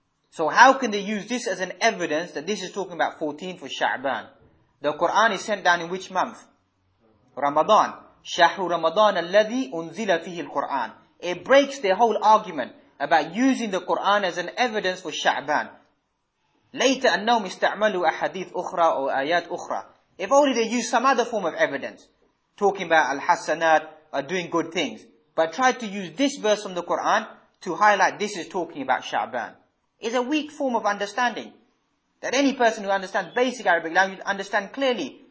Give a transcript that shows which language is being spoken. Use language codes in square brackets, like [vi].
[en] So how can they use this as an evidence that this is talking about 14 for Sha'ban? The Quran is sent down in which month? [ar] Ramadan. شَهْرُ رَمَضَانَ الَّذِي أُنزِلَ فِيهِ الْقُرْآنِ. [en] It breaks their whole argument about using the Quran as an evidence for Sha'ban. [ar] لَيْتَ أَنَّهُمْ إِسْتَعْمَلُوا أَحَدِيثُ أُخْرَى أَوْ آيَاتُ أُخْرَى. [en] If only they use some other form of evidence, talking about al-hasanat, or doing good things, but try to use this verse from the Quran to highlight this is talking about Sha'ban. Is a weak form of understanding. That any person who understands basic Arabic language understand clearly.